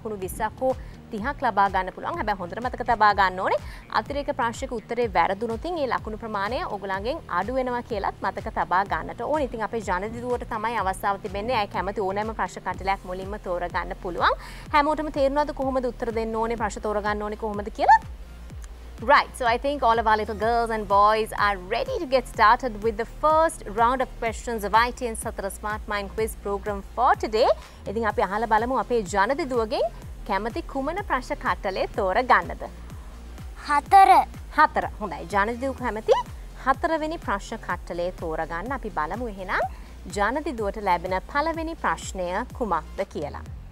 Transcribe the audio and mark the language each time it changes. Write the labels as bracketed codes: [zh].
[si] ලකුණු 20ක් හෝ 30ක් ලබා ගන්න පුළුවන්. හැබැයි හොඳට මතක තබා ගන්න ඕනේ අතිරේක ප්‍රශ්නයක උත්තරේ වැරදුනොත් ඒ ලකුණු ප්‍රමාණය ඔයගලගෙන් අඩු වෙනවා කියලත් මතක තබා ගන්නට ඕනේ. ඉතින් අපේ ජනදිදුවට තමයි අවස්ථාව තිබෙන්නේ ඇයි කැමති ඕනෑම ප්‍රශ්න කටලයක් මුලින්ම තෝරා ගන්න පුළුවන්. හැමෝටම තේරෙනවද කොහොමද උත්තර දෙන්න ඕනේ ප්‍රශ්න තෝරා ගන්න ඕනේ කොහොමද කියලා? [en] Right, so I think all of our little girls and boys are ready to get started with the first round of questions of ITN 4 Smart Mind quiz program for today. [si] ඉතින් අපි අහලා බලමු අපේ ජනදිදුවගෙන් කැමති කුමන ප්‍රශ්න කටලේ තෝරා ගන්නද? 4. හොඳයි. ජනදිදුව කැමති 4 වෙනි ප්‍රශ්න කටලේ තෝරා ගන්න. අපි බලමු එහෙනම් ජනදිදුවට ලැබෙන පළවෙනි ප්‍රශ්නය කුමක්ද කියලා.